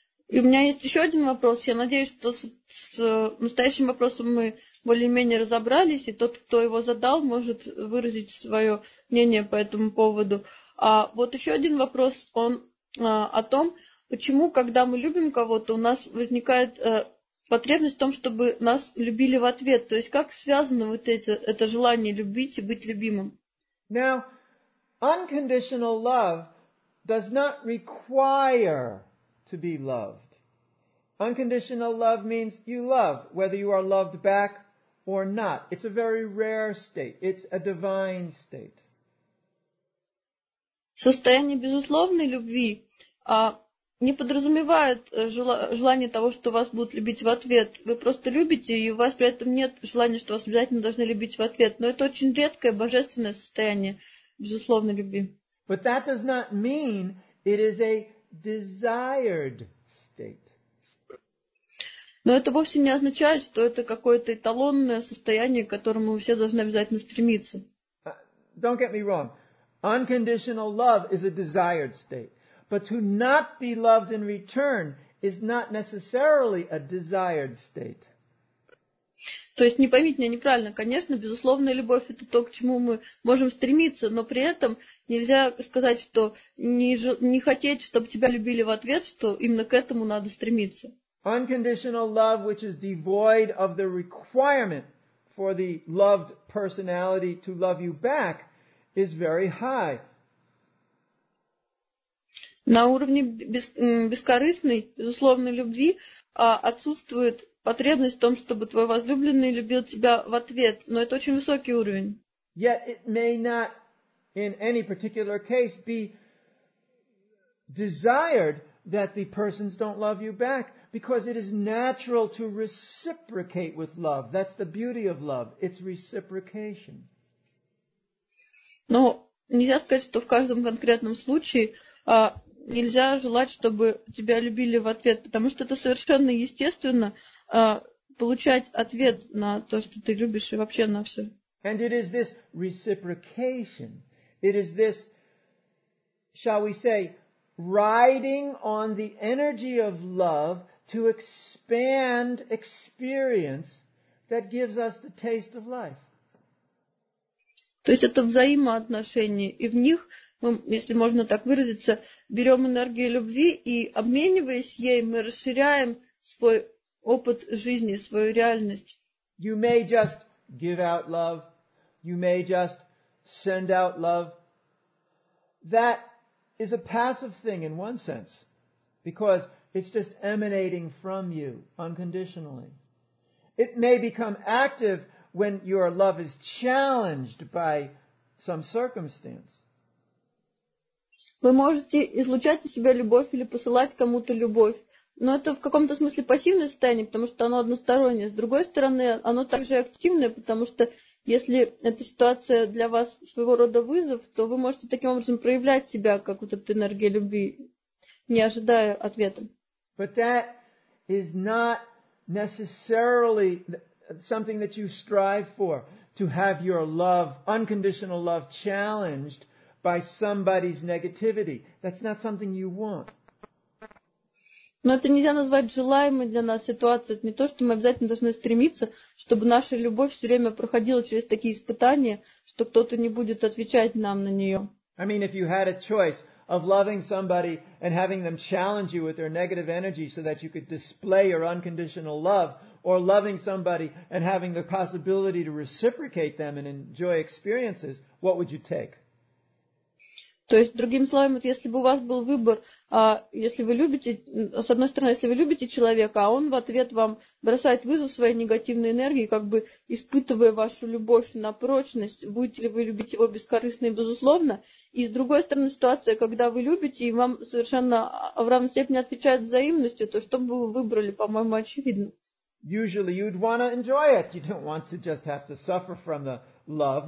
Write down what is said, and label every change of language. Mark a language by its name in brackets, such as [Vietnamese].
[Russian] И у меня есть еще один вопрос. Я надеюсь, что с настоящим вопросом мы более-менее разобрались, и тот, кто его задал, может выразить свое мнение по этому поводу. А вот еще один вопрос, он о том, почему, когда мы любим кого-то, у нас возникает потребность в том, чтобы нас любили в ответ. То есть как связано вот это желание любить и быть любимым? [English] Now, unconditional love does not require to be loved. Unconditional love means you love, whether you are loved back or not. It's a very rare state. It's a divine state. [Russian] Состояние безусловной любви не подразумевает желание того, что вас будут любить в ответ. Вы просто любите, и у вас при этом нет желания, что вас обязательно должны любить в ответ. Но это очень редкое божественное состояние безусловной любви. [English] But that does not mean it is a desired state. [Russian] Но это вовсе не означает, что это какое-то эталонное состояние, к которому вы все должны обязательно стремиться. [English] Don't get me wrong. Unconditional love is a desired state. But to not be loved in return is not necessarily a desired state. [Russian] То есть не поймите меня неправильно. Конечно, безусловная любовь это то, к чему мы можем стремиться, но при этом нельзя сказать, что не хотеть, чтобы тебя любили в ответ, что именно к этому надо стремиться. [English] Unconditional love, which is devoid of the requirement for the loved personality to love you back is very high. [Russian] На уровне бескорыстной, безусловной любви отсутствует потребность в том, чтобы твой возлюбленный любил тебя в ответ. Но это очень высокий уровень. [English] Yet it may not in any particular case be desired that the persons don't love you back, because it is natural to reciprocate with love. That's the beauty of love. It's reciprocation. [Russian] Но нельзя сказать, что в каждом конкретном случае нельзя желать, чтобы тебя любили в ответ, потому что это совершенно естественно получать ответ на то, что ты любишь, и вообще на все. [English] And it is this reciprocation, it is this, shall we say, riding on the energy of love to expand experience that gives us the taste of life. [Russian] То есть это взаимоотношения, и в них мы, если можно так выразиться, берем энергию любви, и обмениваясь ей, мы расширяем свой опыт жизни, свою реальность. [English] You may just give out love. You may just send out love. That is a passive thing in one sense, because it's just emanating from you unconditionally. It may become active when your love is challenged by some circumstance. [Russian] Вы можете излучать из себя любовь или посылать кому-то любовь. Но это в каком-то смысле пассивное состояние, потому что оно одностороннее. С другой стороны, оно также активное, потому что если эта ситуация для вас своего рода вызов, то вы можете таким образом проявлять себя, как вот эта энергия любви, не ожидая ответа. [English] But that is not necessarily something that you strive for, to have your love, unconditional love, challenged by somebody's negativity. That's not something you want. [Russian] Но это нельзя назвать желаемой для нас ситуацией. Это не то, что мы обязательно должны стремиться, чтобы наша любовь все время проходила через такие испытания, что кто-то не будет отвечать нам на нее. [English] I mean, if you had a choice of loving somebody and having them challenge you with their negative energy so that you could display your unconditional love, or loving somebody and having the possibility to reciprocate them and enjoy experiences, what would you take? [Russian] То есть, другими словами, вот если бы у вас был выбор, если вы любите, с одной стороны, если вы любите человека, а он в ответ вам бросает вызов своей негативной энергии, как бы испытывая вашу любовь на прочность, будете ли вы любить его бескорыстно и безусловно, и с другой стороны, ситуация, когда вы любите, и вам совершенно в равной степени отвечает взаимностью, то что бы вы выбрали, по-моему, очевидно. [English] Usually you'd want to enjoy it. You don't want to just have to suffer from the love.